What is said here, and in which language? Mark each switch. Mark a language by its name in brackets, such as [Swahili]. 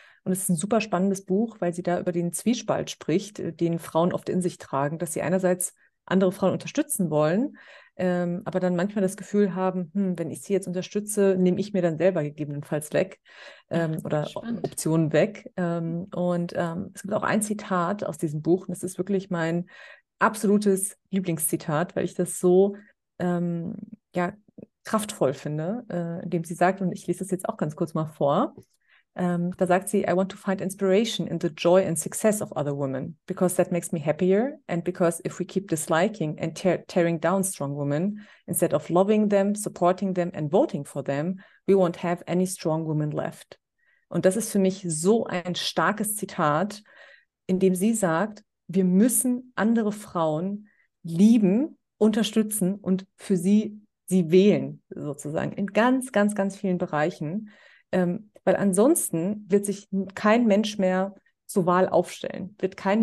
[German] Und es ist ein super spannendes Buch, weil sie da über den Zwiespalt spricht, den Frauen oft in sich tragen, dass sie einerseits andere Frauen unterstützen wollen, aber dann manchmal das Gefühl haben, wenn ich sie jetzt unterstütze, nehme ich mir dann selber gegebenenfalls weg oder Spannend. Optionen weg. Und es gibt auch ein Zitat aus diesem Buch, und das ist wirklich mein absolutes Lieblingszitat, weil ich das so ja, kraftvoll finde, indem sie sagt, und ich lese das jetzt auch ganz kurz mal vor. Da sagt sie, [English] I want to find inspiration in the joy and success of other women, because that makes me happier and because if we keep disliking and tearing down strong women, instead of loving them, supporting them and voting for them, we won't have any strong women left. [German] Und das ist für mich so ein starkes Zitat, in dem sie sagt, wir müssen andere Frauen lieben, unterstützen und für sie wählen, sozusagen, in ganz, ganz, ganz vielen Bereichen. Weil ansonsten wird sich kein Mensch mehr zur Wahl aufstellen, wird kein